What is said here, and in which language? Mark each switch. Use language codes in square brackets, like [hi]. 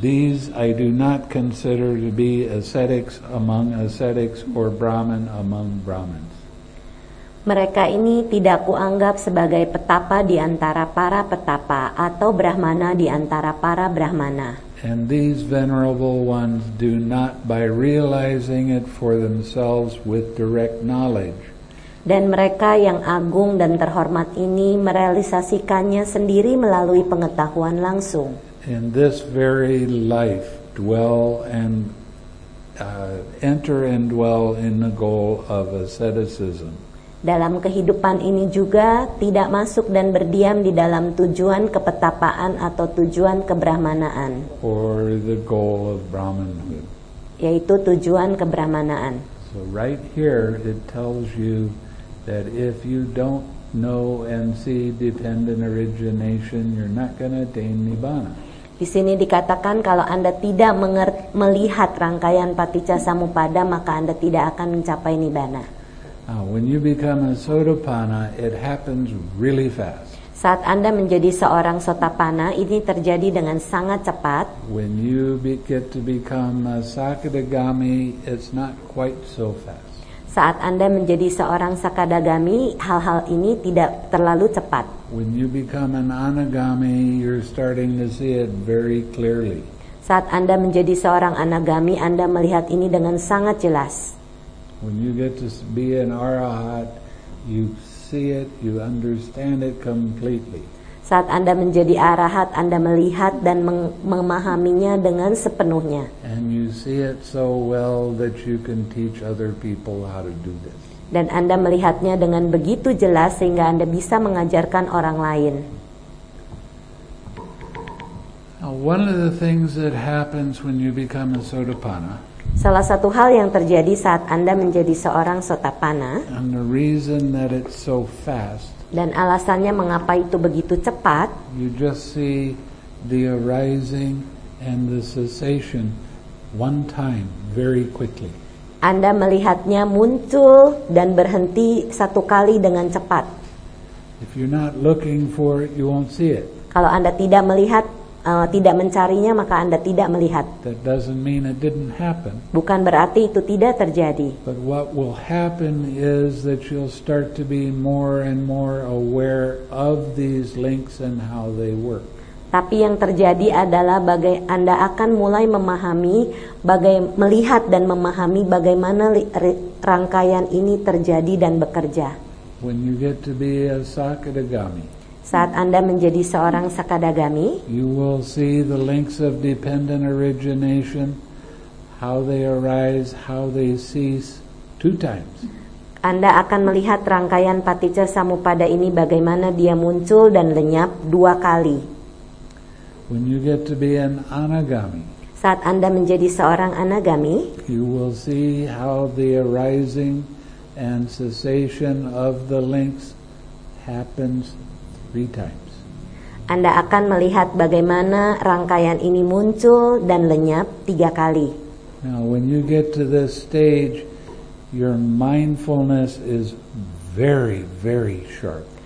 [en] These I do not consider to be ascetics among ascetics or Brahmin among Brahmins. [id] Mereka ini tidak kuanggap sebagai petapa di antara para petapa atau brahmana di antara para brahmana. [en] And these venerable ones do not, by realizing it for themselves with direct knowledge. [id] Dan mereka yang agung dan terhormat ini merealisasikannya sendiri melalui pengetahuan langsung. [en] In this very life, dwell and enter and dwell in the goal of asceticism. [id] Dalam kehidupan ini juga tidak masuk dan berdiam di dalam tujuan kepetapaan atau tujuan kebrahmanaan. [en] Or the goal of Brahmanhood. [id] Yaitu tujuan kebrahmanaan. [en] So right here it tells you that if you don't know and see dependent origination, you're not going to attain Nibbana. [id] Di sini dikatakan kalau Anda tidak melihat rangkaian Paticcasamuppada, maka Anda tidak akan mencapai Nibbana. [en] Now, when you become a sotapanna, it happens really fast. [id] Saat Anda menjadi seorang sotapanna, ini terjadi dengan sangat cepat. [en] When you get to become a sakadagami, it's not quite so fast. [id] Saat Anda menjadi seorang sakadagami, hal-hal ini tidak terlalu cepat. [en] When you become an anagami, you're starting to see it very clearly. [id] Saat Anda menjadi seorang anagami, Anda melihat ini dengan sangat jelas. [en] When you get to be an arahat, you see it, you understand it completely. [id] Saat Anda menjadi arahat, Anda melihat dan memahaminya dengan sepenuhnya. [en] And you see it so well that you can teach other people how to do this. [id] Dan Anda melihatnya dengan begitu jelas sehingga Anda bisa mengajarkan orang lain. [en] Now, one of the things that happens when you become a sotapanna. [id] Salah satu hal yang terjadi saat Anda menjadi seorang sotapanna. [en] And the reason that it's so fast. [id] Dan alasannya mengapa itu begitu cepat? [en] You just see the arising and the cessation one time, very quickly. [id] Anda melihatnya muncul dan berhenti satu kali dengan cepat. [en] If you're not looking for it, you won't see it. [id] Kalau Anda tidak melihat, tidak mencarinya, maka Anda tidak melihat. [en] That doesn't mean it didn't happen. [id] Bukan berarti itu tidak terjadi. [en] But what will happen is that you'll start to be more and more aware of these links and how they work. [id] Tapi yang terjadi adalah Anda akan mulai memahami, melihat dan memahami bagaimana rangkaian ini terjadi dan bekerja. [en] When you get to be a Sakadagami, [id] saat Anda menjadi seorang Sakadagami, [en] you will see the links of dependent origination, how they arise, how they cease, two times. [id] Anda akan melihat rangkaian paticca samuppada ini bagaimana dia muncul dan lenyap dua kali. [en] When you get to be an anagami, [id] saat Anda menjadi seorang anagami, [en] you will see how the arising and cessation of the links happens three times. [id] Anda akan melihat bagaimana rangkaian ini muncul dan lenyap tiga kali. [en] Now, when you get to this stage, your mindfulness is very, very sharp.